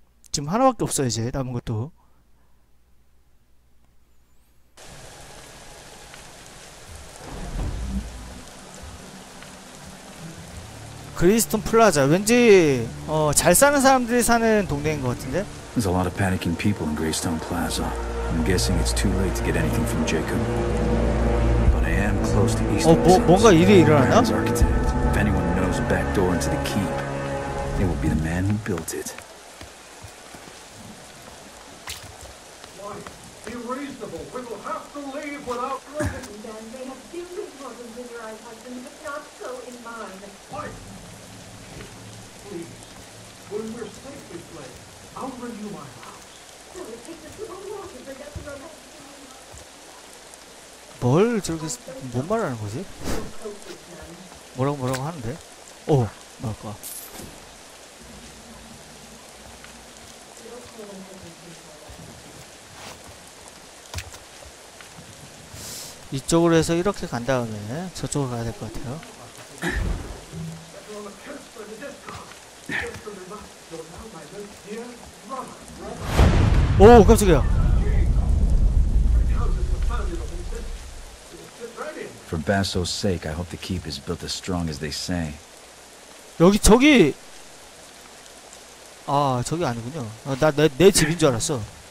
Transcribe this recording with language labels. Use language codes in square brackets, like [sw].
[ko] 지금 하나밖에 없어 이제 남은 것도. 그리스톤 플라자. 왠지 잘 사는 사람들이 사는 동네인 것 같은데. [en] There's a lot of panicking people in Greystone Plaza. I'm guessing it's too late to get anything from Jacob. But I am close to Eastern. [ko] 뭔가 일이 일어나나? [en] If anyone knows a back door into the keep, it will be the man who built it. Please, when we're safely placed, I'll bring you my house. Will it take us long to get to the house? [ko] 뭘 저렇게 뭔 말하는 거지? 뭐라고 하는데? 뭐랄까? 이쪽으로 해서 이렇게 간 다음에 저쪽으로 가야 될 것 같아요. 오 깜짝이야. [en] For Basso's sake, I hope the keep is built as strong as they say. [ko] 여기 저기 아 저기 아니군요. 나 내 집인 줄 알았어.